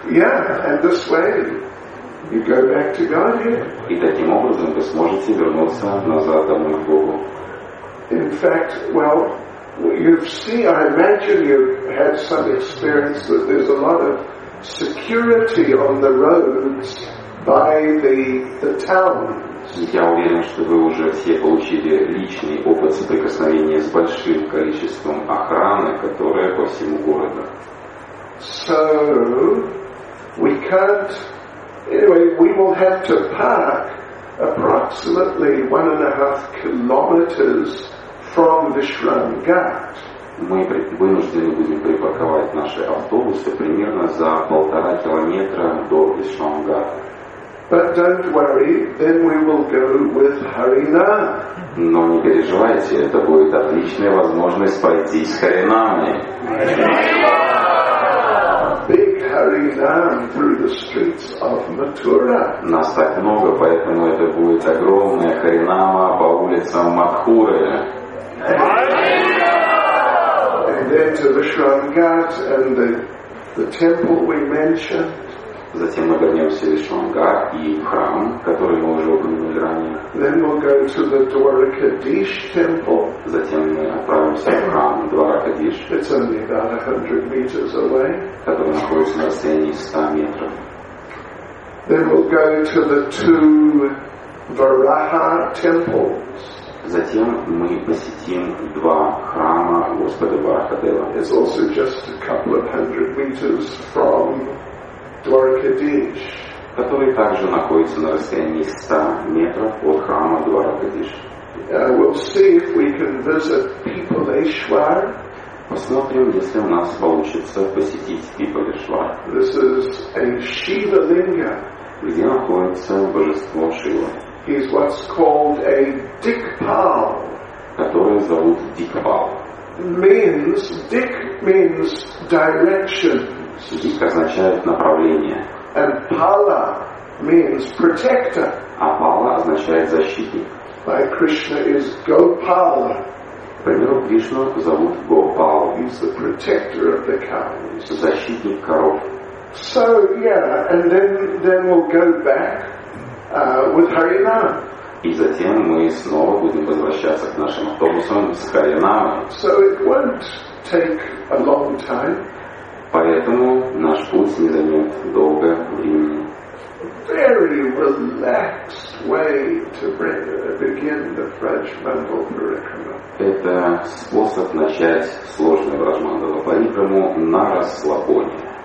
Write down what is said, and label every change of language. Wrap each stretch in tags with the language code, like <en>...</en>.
<en>Yeah, and this way you go back to Godhead.</en> <ru>И таким образом вы сможете вернуться назад домой к Богу.</ru> <en>In fact, well, you've seen, I imagine you've had some experience that there's a lot of security on the roads by the towns.</en> <ru>Я уверен, что вы уже все получили личный опыт соприкосновения с большим количеством охраны, которая по всему городу.</ru> <en>So we can't. Anyway, we will have to park approximately 1.5 kilometers from Vishramgat.</en> <ru>Мы вынуждены будем припарковать наши автобусы примерно за 1.5 километра до Вишрамгата.</ru> <en>But don't worry, then we will go with Харинам.</en> <ru>Но не переживайте, это будет отличная возможность пойти с Харинами.</ru> <en>Big Харинам through the streets of Mathura.</en> <ru>Нас так много, поэтому это будет огромная Харинама по улицам Матхуры.</ru> <en>Then to Vishramgat and the temple we mentioned.</en> <ru>Затем мы вернемся в Вишрамгат и храм, который мы уже упомянули ранее.</ru> <en>Then we'll go to the Dwarakadish temple.</en> <ru>Затем мы отправимся в храм Dwarakadish.</ru> <en>It's only about 100 meters away.</en> <ru>Который находится на расстоянии 100 метров.</ru> <en>Then we'll go to the two Varaha temples.</en> <ru>Затем мы посетим два храма Господа Варахадева.</ru> <en>It's also just a couple of hundred meters from</en> <ru>Дваракадиш, который также находится на расстоянии 100 метров от храма Дваракадиш.</ru> <en>We'll see if we can visit Pipaleshwar.</en> <ru>Посмотрим, если у нас получится посетить Пипалешвар.</ru> <en>This is a Shiva Linga.</en> <ru>Где находится божество Шива.</ru> <en>He's what's called a Dikpal.</en> <ru>Который зовут Дикпал.</ru> <en>Means, Dik means direction.</en> <ru>Дик означает направление.</ru> <en>And Pala means protector.</en> <ru>А Пала означает защитник.</ru> <en>By Krishna is Gopala.</en> <ru>Например, Кришну зовут Гопал.</ru> <en>He's the protector of the cows.</en> <ru>Защитник коров.</ru> <en>So yeah, and then we'll go back with Haryanam.</en> <ru>И затем мы снова будем возвращаться к нашим автобусам с Харинамой.</ru> <en>So it won't take a long time.</en> <ru>Поэтому наш путь не займет долго времени.</ru> <en>Very relaxed way to begin the French Mandala Parikrama.</en> <ru>Это способ начать сложную Враджмандалу Парикраму на расслабоне.</ru>